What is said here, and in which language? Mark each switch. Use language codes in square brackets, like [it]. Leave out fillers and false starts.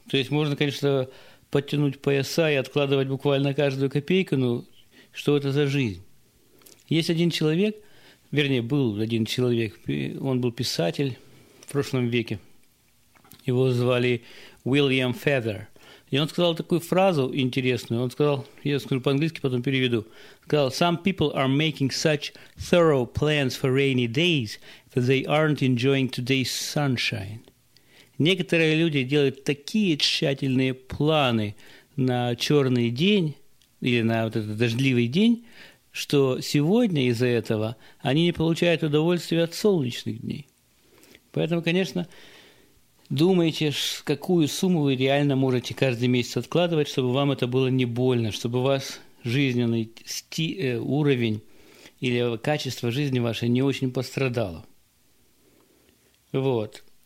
[ru] То есть можно, конечно, подтянуть пояса и откладывать буквально каждую копейку, но что это за жизнь? Есть один человек, вернее, был один человек, он был писатель в прошлом веке. Его звали Уильям Фетер. И он сказал такую фразу интересную. Он сказал, я скажу по-английски, потом переведу. Сказал, [en] some people are making such thorough plans for rainy days that they aren't enjoying today's sunshine. [ru] Некоторые люди делают такие тщательные планы на черный день или на вот этот дождливый день, что сегодня из-за этого они не получают удовольствия от солнечных дней. Поэтому, конечно, думайте, какую сумму вы реально можете каждый месяц откладывать, чтобы вам это было не больно, чтобы ваш жизненный уровень или качество жизни вашей не очень пострадало. Вот.